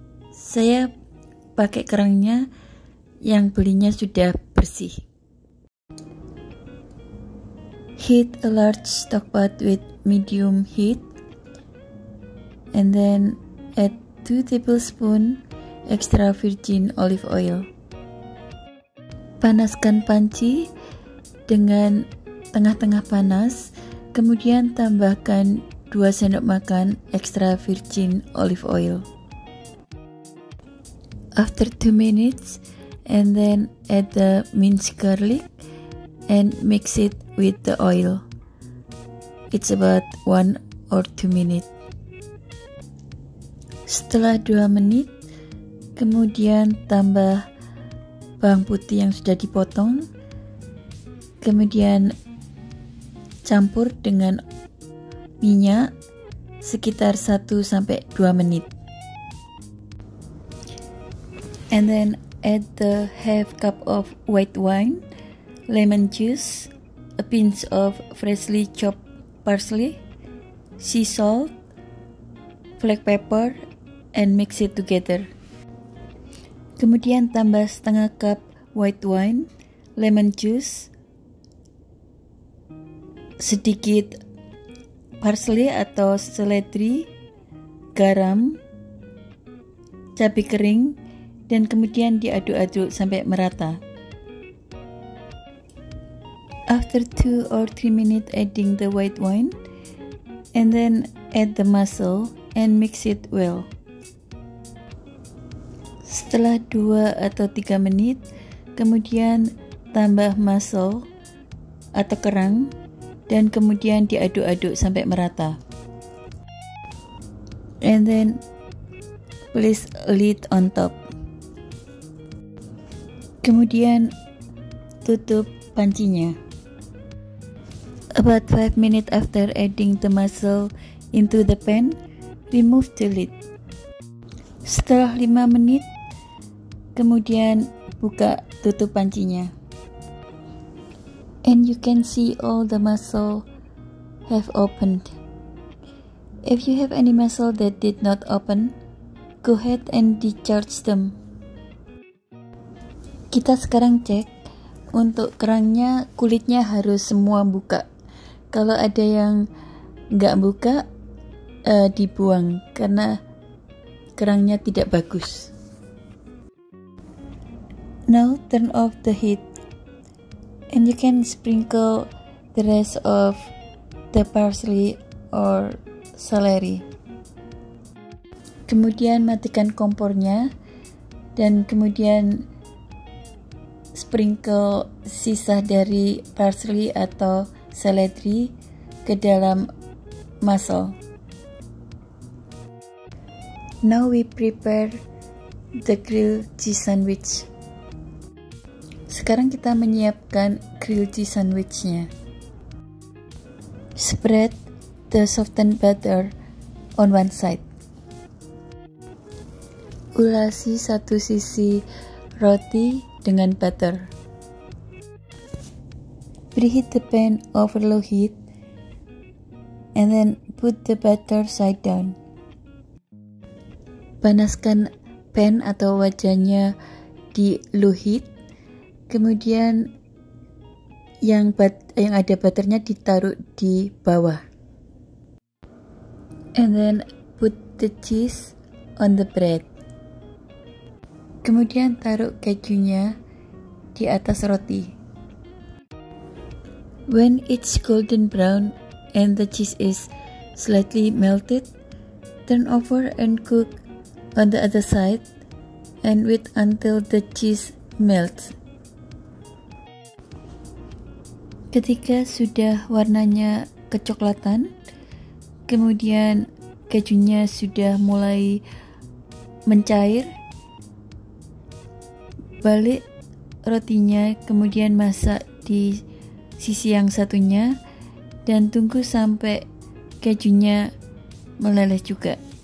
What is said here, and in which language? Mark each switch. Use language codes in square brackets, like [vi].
[id] Saya pakai kerangnya yang belinya sudah bersih. [en] Heat a large stock pot with medium heat, and then add 2 tablespoon extra virgin olive oil. [id] Panaskan panci dengan tengah-tengah panas, kemudian tambahkan 2 sendok makan extra virgin olive oil. [en] After 2 minutes, and then add the minced garlic and mix it with the oil. It's about 1 or 2 minutes. [id] Setelah 2 menit, kemudian tambah bawang putih yang sudah dipotong, kemudian campur dengan minyak sekitar 1-2 menit. [en] And then add the half cup of white wine, lemon juice, a pinch of freshly chopped parsley, sea salt, black pepper, and mix it together. [id] Kemudian tambah setengah cup white wine, lemon juice, sedikit parsley atau seledri, garam, cabai kering, dan kemudian diaduk-aduk sampai merata. [en] After 2 or 3 minutes adding the white wine, and then add the mussel and mix it well. [id] Setelah 2 atau 3 menit, kemudian tambah mussel atau kerang, dan kemudian diaduk-aduk sampai merata. [en] And then place lid on top. [id] Kemudian tutup pancinya. [en] About 5 minutes after adding the mussel into the pan, remove the lid. [id] Setelah 5 menit, kemudian buka tutup pancinya. [en] And you can see all the mussel have opened. If you have any mussel that did not open, go ahead and discharge them. [id] Kita sekarang cek untuk kerangnya, kulitnya harus semua buka. Kalau ada yang nggak buka, dibuang karena kerangnya tidak bagus. [en] Now turn off the heat and you can sprinkle the rest of the parsley or celery. [id] Kemudian matikan kompornya dan kemudian sprinkle sisa dari parsley atau seledri ke dalam mussel. [en] Now we prepare the grilled cheese sandwich. [id] Sekarang kita menyiapkan grilled cheese sandwichnya. [en] Spread the softened batter on one side. [id] Ulasi satu sisi roti dengan butter. [en] Preheat the pan over low heat and then put the butter side down. [id] Panaskan pan atau wajannya di low heat. Kemudian yang ada butternya ditaruh di bawah. [en] And then put the cheese on the bread. [id] Kemudian taruh kejunya di atas roti. [en] When it's golden brown and the cheese is slightly melted, turn over and cook on the other side and wait until the cheese melts. [id] Ketika sudah warnanya kecoklatan, kemudian kejunya sudah mulai mencair, balik rotinya, kemudian masak di sisi yang satunya dan tunggu sampai kejunya meleleh juga.